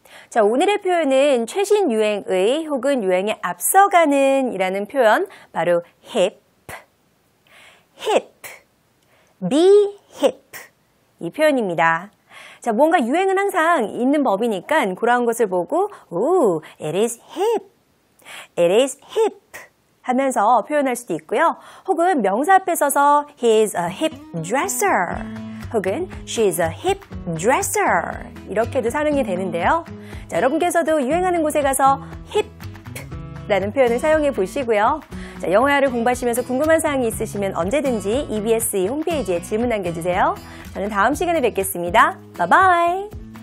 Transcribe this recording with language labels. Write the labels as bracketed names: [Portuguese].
[Korean] 자, 오늘의 표현은 최신 유행의 혹은 유행에 앞서가는 이라는 표현 바로 hip, hip, be hip 이 표현입니다. 자, 뭔가 유행은 항상 있는 법이니까 고라운 것을 보고 [English] it is hip, it is hip [Korean] 하면서 표현할 수도 있고요. 혹은 명사 앞에 써서 [English] he is a hip dresser [Korean] 혹은 [English] she is a hip dresser [Korean] 이렇게도 사용이 되는데요. 자, 여러분께서도 유행하는 곳에 가서 hip라는 표현을 사용해 보시고요. 자, 영어회화를 공부하시면서 궁금한 사항이 있으시면 언제든지 EBS 홈페이지에 질문 남겨주세요. 저는 다음 시간에 뵙겠습니다. [English] Bye bye!